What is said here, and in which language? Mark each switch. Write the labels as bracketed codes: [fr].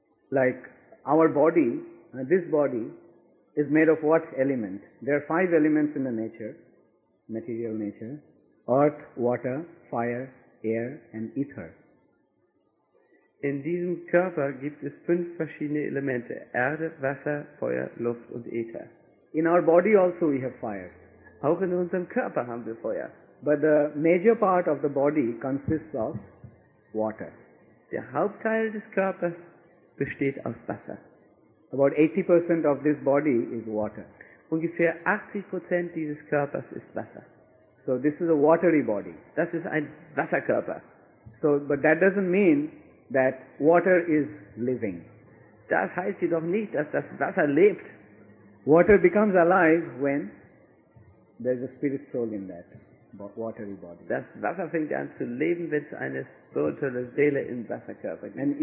[en] Like our body, this body is made of what element? There are five elements in the nature, material nature: earth, water, fire, air and ether. [de] In diesem Körper gibt es fünf verschiedene Elemente: Erde, Wasser, Feuer, Luft und Äther. [en] In our body also we have fire. [de] Auch in unserem Körper haben wir Feuer. [en] But the major part of the body consists of water. [de] Der Hauptteil des Körpers besteht aus Wasser. [en] About 80% of this body is water. [de] Ungefähr 80% dieses Körpers ist Wasser. [en] So this is a watery body. [de] Das ist ein Wasserkörper. [en] So, but that doesn't mean that water is living. [de] Das heißt jedoch nicht, dass das Wasser lebt. [en] Water becomes alive when there's a spirit soul in that watery body. [de] Das Wasser fängt an zu leben, wenn es eine spirituelle Seele im Wasserkörper gibt.